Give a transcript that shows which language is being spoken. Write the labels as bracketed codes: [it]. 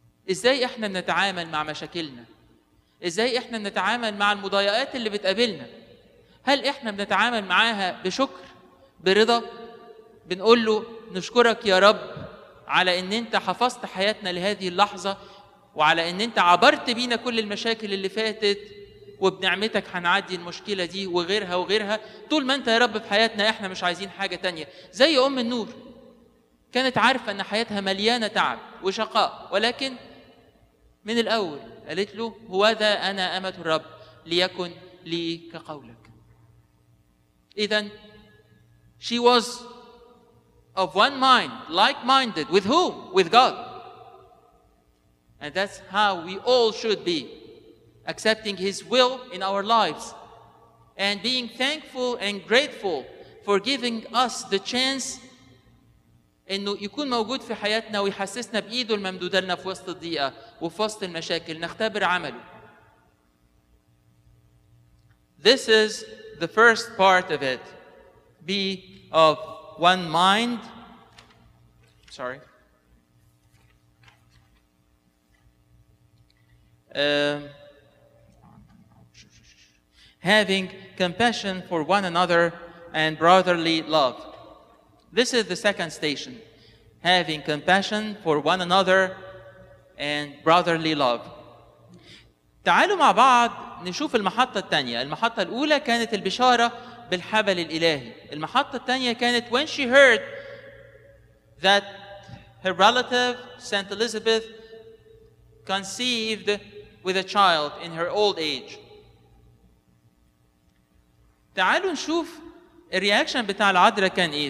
[ar] إزاي إحنا نتعامل مع مشاكلنا؟ إزاي إحنا نتعامل مع المضايقات اللي بتقابلنا؟ هل إحنا بنتعامل معاها بشكر، برضا، بنقول له نشكرك يا رب على أن أنت حفظت حياتنا لهذه اللحظة وعلى أن أنت عبرت بينا كل المشاكل اللي فاتت وبنعمتك هنعدي المشكلة دي وغيرها وغيرها، طول ما أنت يا رب في حياتنا إحنا مش عايزين حاجة تانية. زي أم النور كانت عارفة أن حياتها مليانة تعب وشقاء، ولكن من الأول قالت له هوذا أنا أمة الرب ليكن لي كقولك. إذن [en] she was of one mind, like-minded, with whom? With God. And that's how we all should be, accepting His will in our lives and being thankful and grateful for giving us the chance [ar] إنه يكون موجود في حياتنا ويحسسنا بإيده الممدودة لنا في وسط الضيقة وفي وسط المشاكل نختبر عمله. [en] This is the first part of it. Be of one mind. Sorry. Having compassion for one another and brotherly love. This is the second station. Having compassion for one another and brotherly love. [ar] تعالوا مع بعض نشوف المحطة الثانية. المحطة الأولى كانت البشارة بالحبل الإلهي. المحطة الثانية كانت [en] when she heard that her relative Saint Elizabeth conceived with a child in her old age. [ar] تعالوا نشوف الرياكشن بتاع العذراء كان إيه.